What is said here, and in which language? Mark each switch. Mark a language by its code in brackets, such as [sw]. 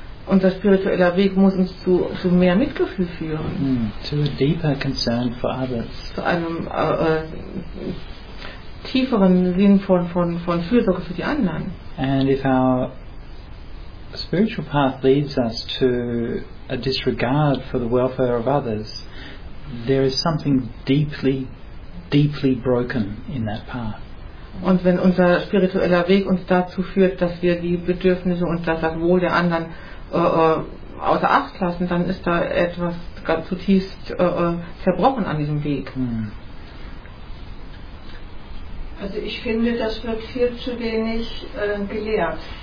[de] Unser spiritueller Weg muss uns zu mehr Mitgefühl führen. [en] To a deeper concern for others. [de] Zu einem tieferen Sinn von Fürsorge für die anderen. [en] And if our spiritual path leads us to a disregard for the welfare of others, there is something deeply, deeply broken in that path. [de] Und wenn unser spiritueller Weg uns dazu führt, dass wir die Bedürfnisse und das Wohl der anderen außer Acht lassen, dann ist da etwas ganz zutiefst zerbrochen an diesem Weg. Also ich finde, das wird viel zu wenig gelehrt.